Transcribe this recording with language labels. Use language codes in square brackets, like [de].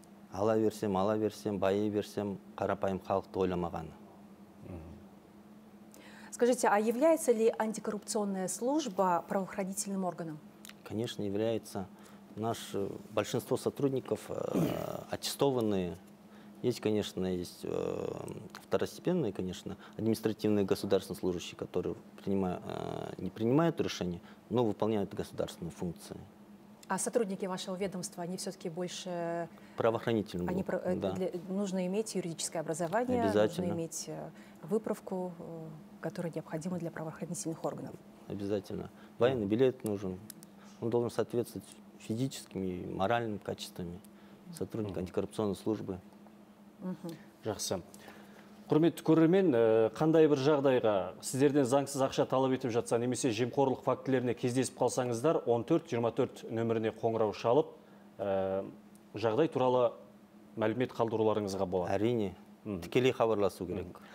[kk] Ала берсем, ала берсем, байы берсем, қарапайым халықты ойламағаны. [ru] Скажите, а является ли антикоррупционная служба правоохранительным органом? Конечно, является. Наш большинство сотрудников аттестованные. Есть, конечно, есть второстепенные, конечно, административные государственные служащие, которые не принимают решения, но выполняют государственные функции. А сотрудники вашего ведомства, они все-таки больше... Правоохранительные. Они нужно иметь юридическое образование, нужно иметь выправку, которая необходима для правоохранительных органов. Обязательно. Военный билет нужен. Он должен соответствовать физическими, моральными качествами сотрудника антикоррупционной службы. [kk] Жақсы. Құрметті көрермен, қандай бір жағдайға сіздерден заңсыз ақша талап етіп жатса, немесе жемқорлық фактілеріне кездесіп қалсаңыздар, 14-24 нөміріне қоңырау шалып, жағдай туралы мәлімет қалдыруларыңызға болады. Әрине, тікелей хабарласу керек.